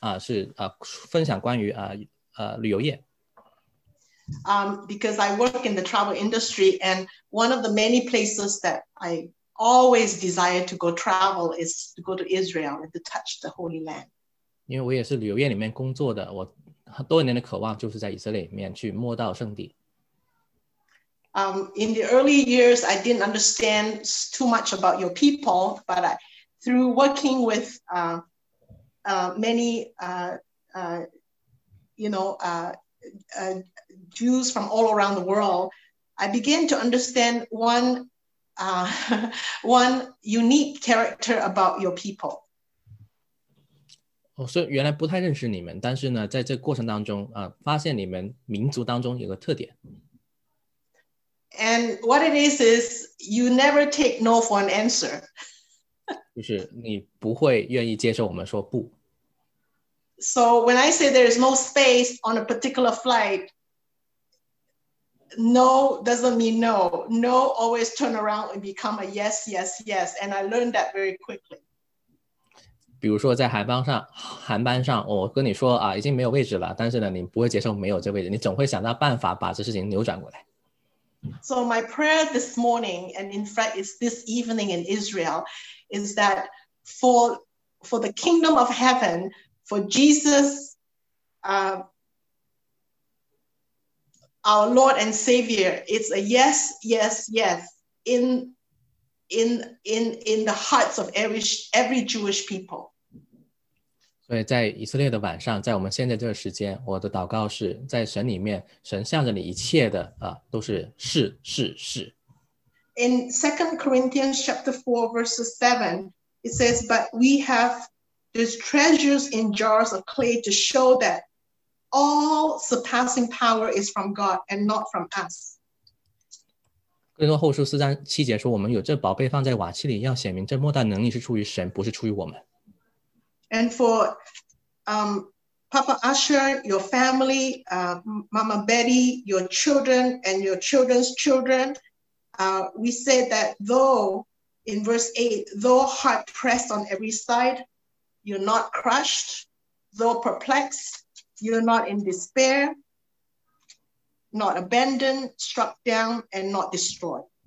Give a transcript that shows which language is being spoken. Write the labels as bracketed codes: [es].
[zh] 我记得那时候第一次遇见Sarah是在82聚集，反正那时候是分享关于旅游业。 [en] Because I work in the travel industry and one of the many places that I always desire to go travel is to go to Israel and to touch the Holy Land. [zh] 因为我也是旅游业里面工作的，我多年的渴望就是在以色列里面去摸到圣地。 [en] In the early years, I didn't understand too much about your people, but through working with many Jews from all around the world, I began to understand one unique character about your people. [zh] 所以原来不太认识你们，但是呢，在这过程当中，发现你们民族当中有个特点。 [en] And what it is you never take no for an answer. [zh] 就是你不会愿意接受我们说不。 [en] So when I say there is no space on a particular flight, no doesn't mean no. No always turn around and become a yes, yes, yes. And I learned that very quickly. [zh] 比如说在航班上、哦、我跟你说、啊、已经没有位置了，但是呢你不会接受没有这位置，你总会想到办法把这事情扭转过来。 [en] So my prayer this morning and in fact it's this evening in Israel is that for the kingdom of heaven, for Jesus、our Lord and Savior, it's a yes, yes, yes in the hearts of every Jewish people. [zh] 所以在以色列的晚上，在我们现在这个时间，我的祷告是在神里面，神向着你一切的、啊、都是是是是。 [en] In 2 Corinthians chapter 4 verse 7, it says, but we have these treasures in jars of clay to show that all surpassing power is from God and not from us. [zh] 哥林多后书四章七节说，我们有这宝贝放在瓦器里，要显明这莫大能力是出于神，不是出于我们。 [en] And for Papa Asher, your family, Mama Betty, your children and your children's children, we say that though, in verse 8, though hard pressed on every side, you're not crushed, though perplexed, you're not in despair, not abandoned, struck down, and not destroyed.